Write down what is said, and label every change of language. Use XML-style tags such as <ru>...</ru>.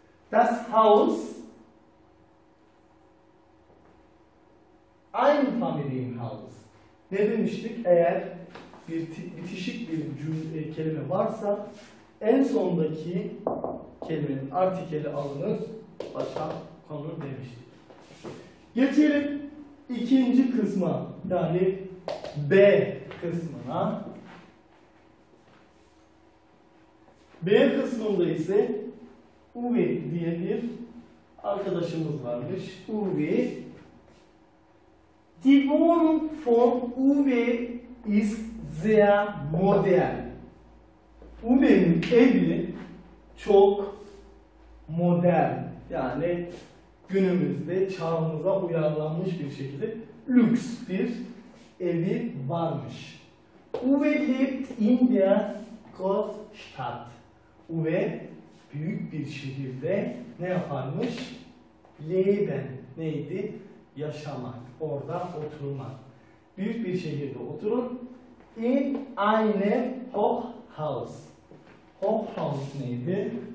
<de>Das Haus, ein Familienhaus.</de> <tr>Ne demiştik? Eğer bir bitişik bir cümle kelime varsa en sondaki kelimenin artikeli alınır, başa konur demiştik. Geçelim ikinci kısma, yani B kısmına. B kısmında ise Uvi diye bir arkadaşımız varmış. Uvi.</tr> <de>Die Wohnung von Uvi ist sehr modern.</de> <tr>Uvi'nin evi çok modern. Yani günümüzde çağımıza uyarlanmış bir şekilde lüks bir evi varmış.</tr> <de>Uvi lebt in der Großstadt.</de> <tr>Uvi büyük bir şehirde ne yaparmış? Leben neydi? Yaşamak, orada oturmak. Büyük bir şehirde oturun.</tr> <de>In eine Hochhaus. Hochhaus neydi?</de>